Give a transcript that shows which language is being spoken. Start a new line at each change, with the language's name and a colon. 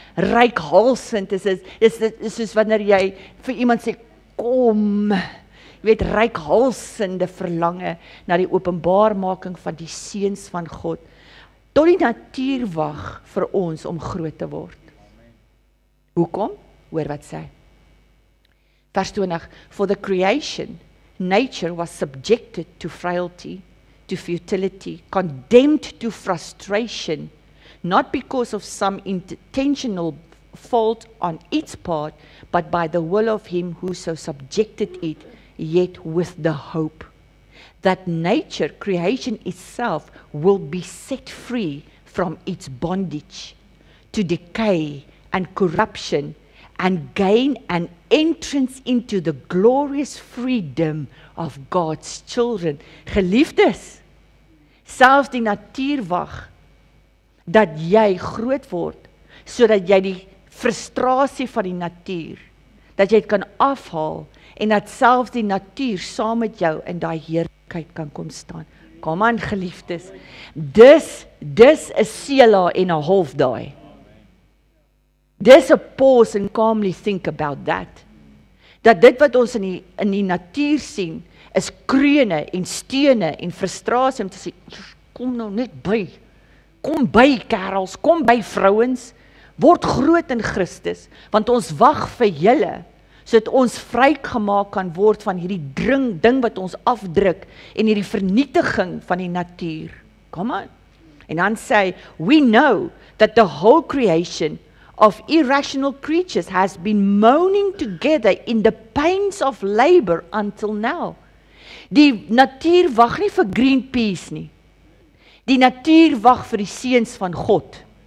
Afrikaans: Ryk halsend is soos wanneer jy vir iemand sê, kom, jy weet, ryk halsende verlange na die openbaarmaking van die seuns van God. Tot die natuur wag vir ons om groot te word. Amen. Hoekom? Hoor wat sê.
English: Vers 20, for the creation, nature was subjected to frailty, to futility, condemned to frustration, not because of some intentional fault on its part, but by the will of him who so subjected it, yet with the hope that nature, creation itself, will be set free from its bondage to decay and corruption and gain an entrance into the glorious freedom of God's children.
Afrikaans: Geliefdes, selfs die natuur wag dat jy groot word, sodat jy die frustrasie van die natuur, dat jy het kan afhaal, en dat selfs die natuur saam met jou in die heerlikheid kan kom staan. Kom aan, geliefdes. Dis 'n sela en 'n half daai. Dis 'n
English: pause and calmly think about that.
Afrikaans: Dat dit wat ons in die natuur sien, is krone en stene en frustrasie om te sê, kom nou net by. Kom by, kerels, kom by, vrouens. Word groot in Christus, want ons wag vir julle, sodat ons vrygemaak kan word van hierdie ding wat ons afdruk en hierdie vernietiging van die natuur.
English: Come on.
Afrikaans: En dan sê,
English: we know that the whole creation of irrational creatures has been moaning together in the pains of labor until now.
Afrikaans: Die natuur wag nie vir Greenpeace nie. Die natuur wag vir die seuns van God.